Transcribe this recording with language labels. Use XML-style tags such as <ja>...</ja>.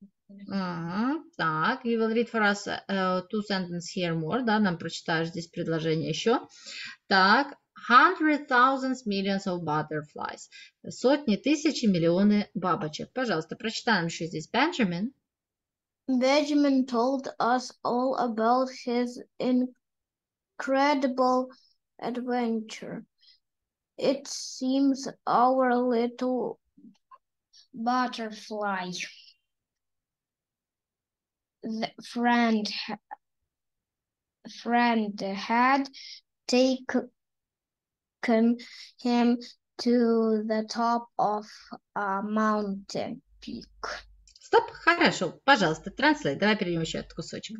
<en>Uh-huh. Так, you will read for us two sentences here more,</en> <ru>да, нам прочитаешь здесь предложение еще.</ru> <en>Так, hundred thousands, millions of butterflies.</en> <ru>Сотни, тысячи, миллионы бабочек. Пожалуйста, прочитаем еще здесь.</ru> <en>Benjamin. Benjamin told us all about his incredible adventure. It seems our little butterfly friend had taken him to the top of a mountain peak.</en> <ru>Стоп, хорошо, пожалуйста, транслей. Давай перейдем еще этот кусочек.</ru>